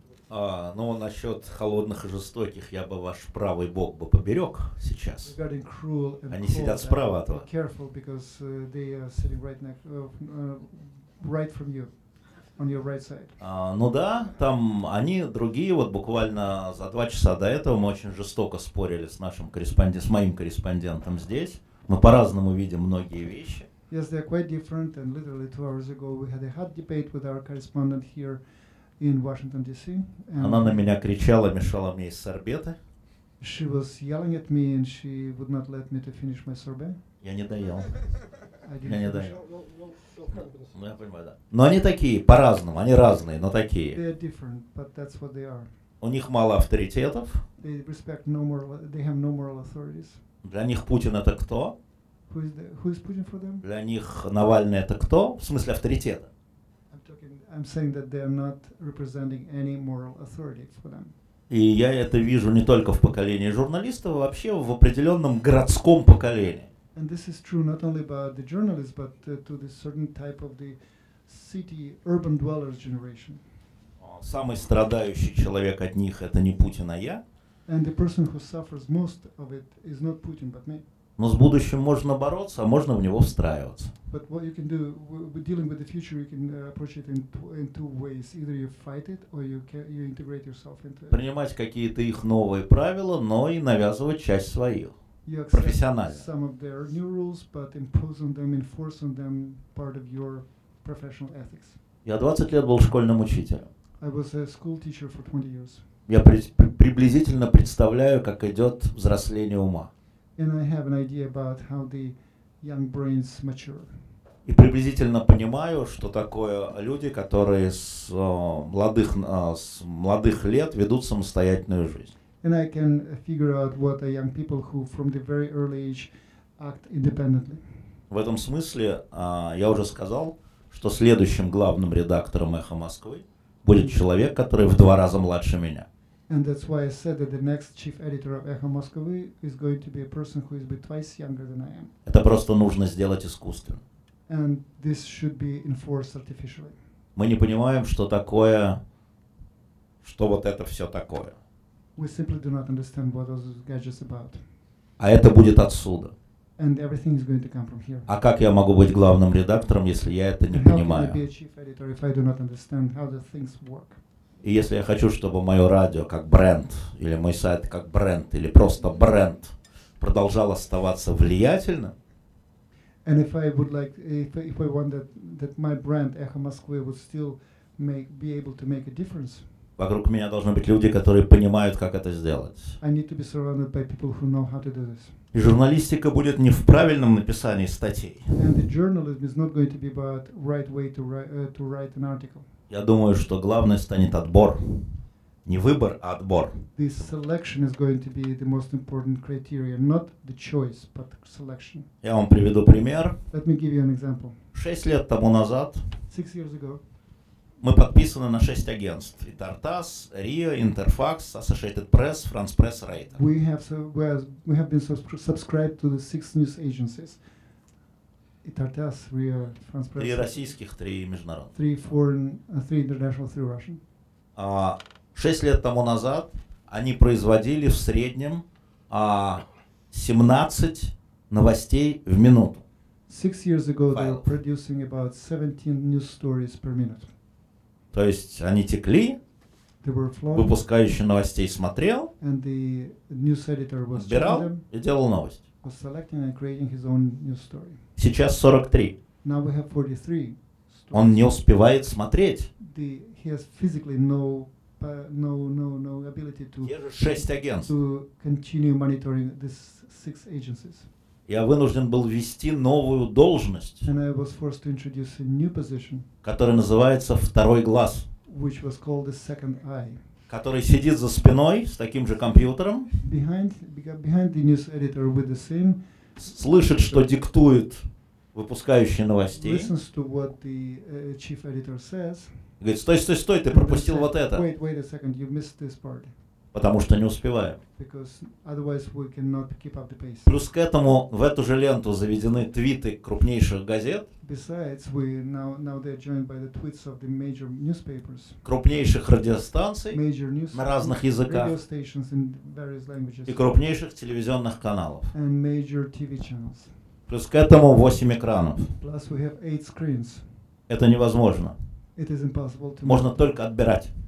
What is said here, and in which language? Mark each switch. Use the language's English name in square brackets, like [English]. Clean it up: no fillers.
[Russian] Ну, насчет холодных и жестоких, я бы ваш правый бок бы поберег сейчас. Они сидят справа от вас. [English] Careful, because they are sitting right next, right from you, on your right side. [Russian] Ну да, там они, другие, вот буквально за два часа до этого мы очень жестоко спорили с нашим корреспондентом, с моим корреспондентом здесь. Мы по-разному видим многие вещи. [English] Yes, they are quite different, and literally 2 hours ago we had a hot debate with our correspondent here. In Washington D.C. [Russian] Она на меня кричала, мешала мне из сорбета. [English] She was yelling at me and she would not let me to finish my sorbet. [Russian] Я не доел. Я не доел. Ну я понимаю, да. Но они такие, по-разному, они разные, но такие. [English] They are different, but that's what they are. [Russian] У них мало авторитетов. [English] They respect no moral, they have no moral authorities. [Russian] Для них Путин это кто? [English] Who is Putin for them? [Russian] Для них Навальный это кто? В смысле авторитета. [English] I'm saying that they are not representing any moral authority for them. [Russian] И я это вижу не только в поколении журналистов, а вообще в определенном городском поколении. [English] And this is true not only about the journalists, but to the certain type of the city urban dwellers generation. [Russian] Самый страдающий человек от них это не Путин, а я. [English] And the person who suffers most of it is not Putin, but me. [Russian] Но с будущим можно бороться, а можно в него встраиваться. [English] But what you can do, dealing with the future, you can approach it in two ways. Either you fight it, or you integrate yourself into it. [Russian] Принимать какие-то их новые правила, но и навязывать часть своих. Профессионально. [English] Some of their new rules, but imposing them, enforcing them, part of your professional ethics. [Russian] Я 20 лет был школьным учителем. [English] I was a school teacher for 20 years. [Russian] Я приблизительно представляю, как идет взросление ума. [English] And I have an idea about how the young brains mature. [Russian] И приблизительно понимаю, что такое люди, которые с молодых лет ведут самостоятельную жизнь. [English] And I can figure out what are young people who from the very early age act independently. [Russian] В этом смысле я уже сказал, что следующим главным редактором «Эхо Москвы» будет человек, который в два раза младше меня. [English] And that's why I said that the next chief editor of Echo Moscovy is going to be a person who is be twice younger than I am. [Russian] Это просто нужно сделать искусственно. [English] And this should be enforced artificially. [Russian] Мы не понимаем, что такое, что вот это все такое. [English] We simply do not understand what those gadgets about. [Russian] А это будет отсюда. [English] And everything is going to come from here. [Russian] А как я могу быть главным редактором, если я это не понимаю? [English] How can I be a chief editor if I do not understand how the things work? [Russian] И если я хочу, чтобы мое радио как бренд, или мой сайт как бренд, или просто бренд, продолжал оставаться влиятельным, [English] and if I would like, if I want that my brand Echo Москвы would still be able to make a difference, [Russian] вокруг меня должны быть люди, которые понимают, как это сделать. [English] I need to be surrounded by people who know how to do this. [Russian] И журналистика будет не в правильном написании статей. [English] And the journalism is not going to be about right way to write an article. [Russian] Я думаю, что главное станет отбор. Не выбор, а отбор. [English] This selection is going to be the most important criteria. Not the choice, but selection. [Russian] Я вам приведу пример. [English] Let me give you an example. [Russian] 6 лет тому назад. [English] 6 years ago. [Russian] Мы подписаны на 6 агентств. И Тартас, Рио, Интерфакс, Associated Press, France Press, Reuters. [English] We have been subscribed to the 6 news agencies. Tartas, Rio, France Press. [Russian] 3 российских, 3 международных. [English] 3 foreign, 3 international, 3 Russian. [Russian] 6 лет тому назад они производили в среднем 17 новостей в минуту. [English] 6 years ago they were producing about 17 news stories per minute. [Russian] То есть они текли, выпускающий новостей смотрел, [English] and the news editor was [Russian] отбирал [English] them, [Russian] и делал новость. [English] Was selecting and creating his own news story. [Russian] Сейчас 43. [English] Now we have 43 stories. [Russian] Он не успевает смотреть. [English] The, he has physically no ability to, [Russian] 6 агентств. [English] To continue monitoring these 6 agencies. [Russian] Я вынужден был ввести новую должность, [English] and I was forced to introduce a new position, [Russian] которая называется второй глаз, [English] which was called the second eye, [Russian] который сидит за спиной с таким же компьютером, [English] behind the news editor with the same, [Russian] слышит, что диктует выпускающий новостей, [English] listens to what the chief editor says, [Russian] говорит, стой, ты пропустил вот это, [English] wait a second, you missed this part. [Russian] Потому что не успеваем. [English] Because otherwise we cannot keep up the pace. [Russian] Плюс к этому в эту же ленту заведены твиты крупнейших газет. [English] Besides, we now they're joined by the tweets of the major newspapers. [Russian] Крупнейших радиостанций на разных языках. [English] Radio stations in various languages. [Russian] И крупнейших телевизионных каналов. [English] And major TV channels. [Russian] Плюс к этому 8 экранов. [English] Plus we have 8 screens. [Russian] Это невозможно. [English] It is impossible to. [Russian] Можно только отбирать.